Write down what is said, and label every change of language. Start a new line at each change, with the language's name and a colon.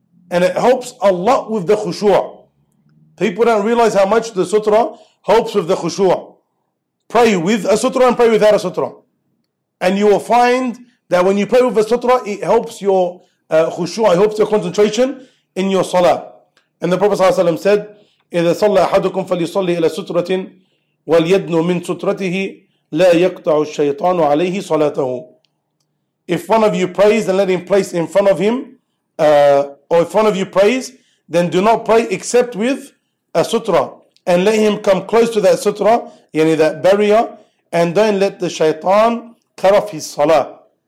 English: And it helps a lot with the khushu'ah. People don't realize how much the sutra helps with the khushu'ah. Pray with a sutra and pray without a sutra. And you will find that when you pray with a sutra, it helps your khushu'ah, it helps your concentration in your salah. And the Prophet ﷺ said,
Arabic: إِذَا صَلَّى أَحَدُكُمْ فَلِيصَلِّ إِلَى سُتْرَةٍ وَلْيَدْنُ مِنْ سُتْرَتِهِ لَا يَقْطَعُ الشَّيْطَانُ عَلَيْهِ صَلَاتَهُ.
English: If one of you prays, then let him place in front of him, or if one of you prays, then do not pray except with a sutra, and let him come close to that sutra, yani that barrier, and don't let the shaitan cut off his salah.